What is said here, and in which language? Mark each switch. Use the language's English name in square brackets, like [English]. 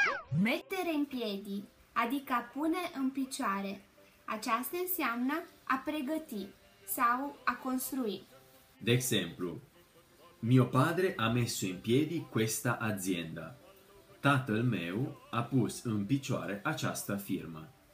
[Italian] Mettere in piedi, [Romanian] adică pune în picioare. Aceasta înseamnă a pregăti sau a construi. De exemplu, [Italian] mio padre ha messo in piedi questa azienda. [Romanian] Tatăl meu a pus în picioare această firmă.